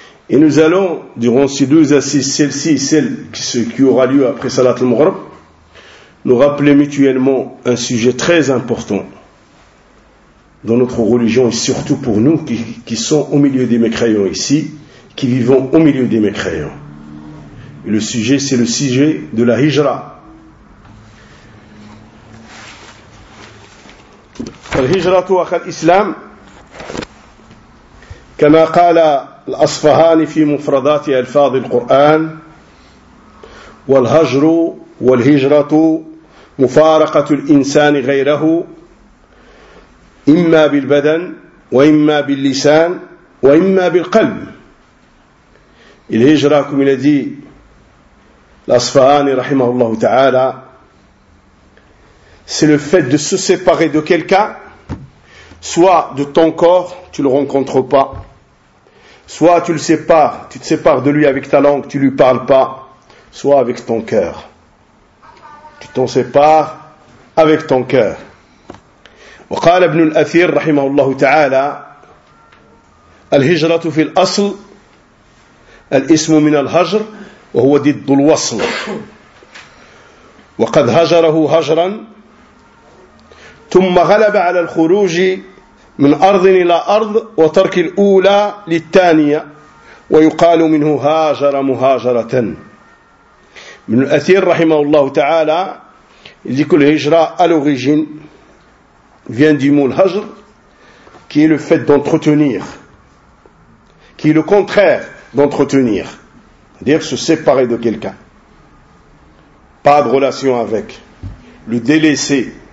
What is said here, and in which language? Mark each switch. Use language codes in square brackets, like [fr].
[fr] Et nous allons, durant ces deux assises, celle-ci et celle qui aura lieu après Salat al-Maghrib, nous rappeler mutuellement un sujet très important dans notre religion et surtout pour nous qui sont au milieu des mécréants ici, qui vivons au milieu des mécréants. Et le sujet, c'est le sujet de la hijra. [ar] الهجرة أخا الإسلام كما قال الأصفهاني في مفردات ألفاظ القرآن والهجر والهجرة مفارقة الإنسان غيره إما بالبدن وإما باللسان وإما بالقلب. الهجرة كما الذي الأصفهاني رحمه الله تعالى [fr] c'est le fait de se séparer de quelqu'un, soit de ton corps, tu le rencontres pas, soit tu te sépares de lui avec ta langue, tu lui parles pas, soit avec ton cœur. Tu t'en sépares avec ton cœur. [ar] وقال ابن الأثير رحمه الله تعالى الهجرة في الأصل الاسم من الهجر وهو ضد الوصل وقد هجره هجرا ثم غلب على الخروج من أرض إلى أرض وترك الأولى للثانية ويقال منه هاجر مهاجرة. ابن الأثير رحمه الله تعالى ذكر الهجرة [fr] à l'origine vient du mot hajr, qui est le fait d'entretenir, qui est le contraire d'entretenir, c'est-à-dire se séparer de quelqu'un, pas de relation avec, le délaisser.